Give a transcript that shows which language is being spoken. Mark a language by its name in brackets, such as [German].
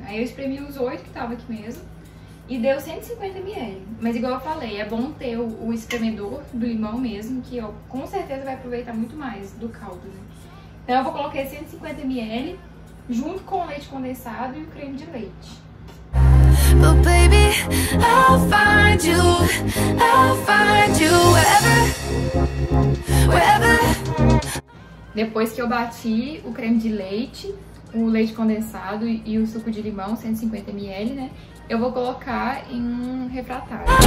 [Portuguese] Aí eu espremi os 8 que estavam aqui mesmo. E deu 150 ml. Mas igual eu falei, é bom ter o espremedor do limão mesmo, que ó, com certeza vai aproveitar muito mais do caldo, né? Então eu vou colocar 150 ml junto com o leite condensado e o creme de leite. [English] But baby, I'll find you. I'll find you wherever, wherever. [Portuguese] Depois que eu bati o creme de leite, o leite condensado e o suco de limão, 150 ml, né? Eu vou colocar em um refratário.